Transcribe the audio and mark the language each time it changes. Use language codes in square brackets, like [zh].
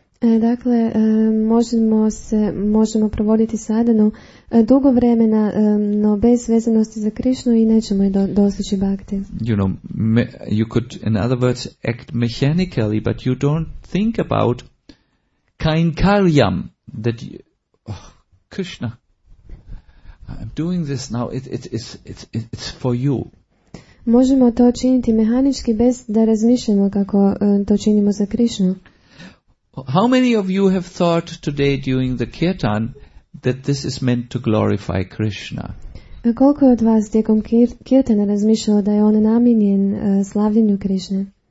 [hr] Dakle, možemo provoditi sadhanu dugo vremena, no bez vezanosti za Krišnu i nećemo je dostići bhakti. [en] You know, you could, in other words, act mechanically, but you don't think about kainkaryam, that you, oh, Krishna, I'm doing this now, it's for you. [hr] Možemo to činiti mehanički bez da razmišljamo kako to činimo za Krišnu. [en] How many of you have thought today during the kirtan that this is meant to glorify Krishna? [hr] Koliko od vas tijekom kirtana razmišljalo da je on namijenjen slavljenju Krišne?